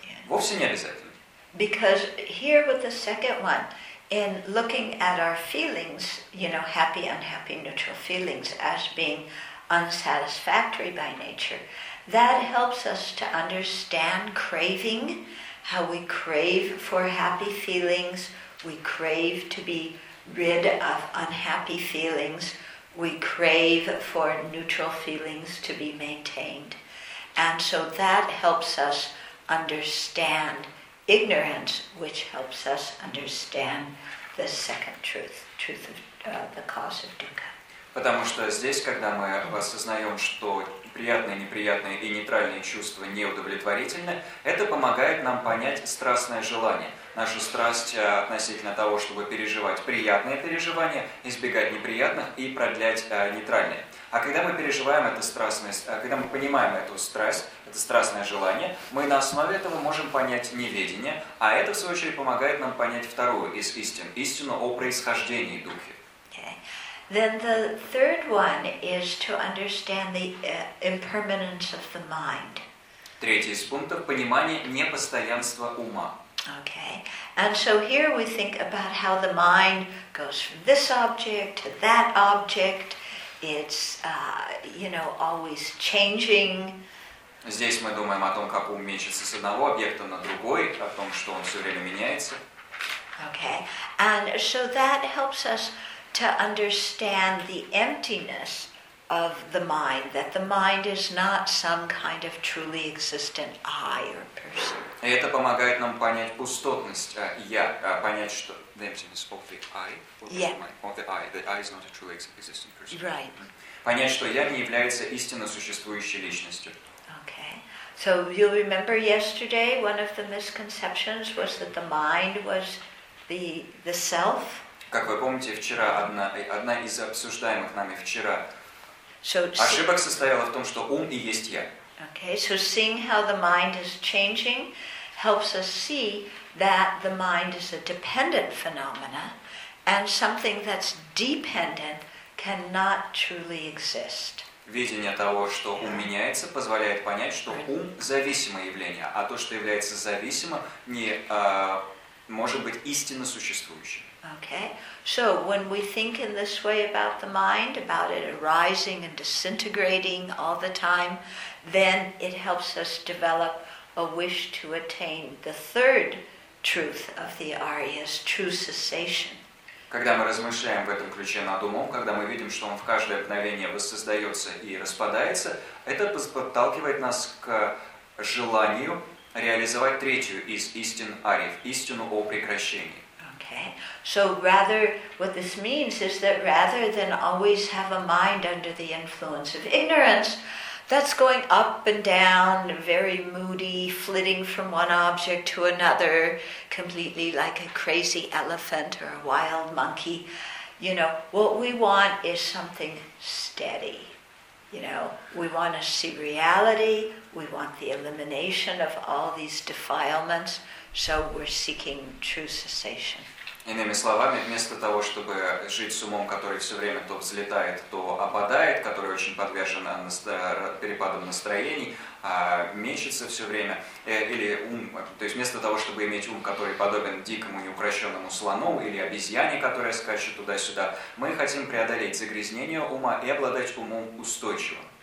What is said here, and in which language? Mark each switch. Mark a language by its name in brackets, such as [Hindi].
[Russian] Вовсе не обязательно. [English] Because here with the second one, in looking at our feelings, you know, happy, unhappy, neutral feelings as being unsatisfactory by nature, that helps us to understand craving, how we crave for happy feelings, we crave to be rid of unhappy feelings, we crave for neutral feelings to be maintained. And so that helps us understand ignorance, which helps us understand the second truth, truth of the cause of dukkha. [Russian] Потому что здесь, когда мы осознаем, что приятные, неприятные и нейтральные чувства неудовлетворительны, это помогает нам понять страстное желание, нашу страсть относительно того, чтобы переживать приятные переживания, избегать неприятных и продлять нейтральные. А когда мы переживаем эту страстность, когда мы понимаем эту страсть, это страстное желание, мы на основе этого можем понять неведение, а это, в свою очередь, помогает нам понять вторую из истин, истину о происхождении духи. [English] Okay. Then the third one is to understand the impermanence of the mind. [Russian] Третий из пунктов – понимание непостоянства ума. [English] Okay. And so here we think about how the mind goes from this object to that object. It's, you know, always changing. [Russian] Здесь мы думаем о том, как ум мечется с одного объекта на другой, о том, что он все время меняется. [English] Okay, and so that helps us to understand the emptiness of the mind, that the mind is not some kind of truly existent I or person. [Russian] И это помогает нам понять пустотность я, понять, что [English] the emptiness of the I, of the I, that I is not a truly existent person. Right. [Russian] Понять, что я не является истинно существующей личностью. [English] Okay. So you remember yesterday, one of the misconceptions was that the mind was the self. [Russian] Как вы помните, вчера одна из обсуждаемых нами вчера ошибок состояла в том, что ум и есть я. [English] Okay, so seeing how the mind is changing helps us see that the mind is a dependent phenomena, and something that's dependent cannot truly exist. [Russian] Видение того, что ум меняется, позволяет понять, что ум зависимое явление, а то, что является зависимо, не может быть истинно существующим. [English] Okay, so when we think in this way about the mind, about it arising and disintegrating all the time, then it helps us develop a wish to attain the third truth of the Arya's true cessation. [Russian] Когда мы размышляем в этом ключе над умом, когда мы видим, что он в каждое мгновение воссоздается и распадается, это подталкивает нас к желанию реализовать третью из истин Арьев, истину о прекращении. [English] Okay. So rather, what this means is that rather than always have a mind under the influence of ignorance, that's going up and down, very moody, flitting from one object to another, completely like a crazy elephant or a wild monkey, you know, what we want is something steady. You know, we want to see reality, we want the elimination of all these defilements, so we're seeking true cessation. [Russian] Иными словами, вместо того, чтобы жить с умом, который все время то взлетает, то опадает, который очень подвержен перепадам настроений, мечется все время, или ум, то есть вместо того, чтобы иметь ум, который подобен дикому неукрощенному слону или обезьяне, которая скачет туда-сюда, мы хотим преодолеть загрязнение ума и обладать умом устойчивым.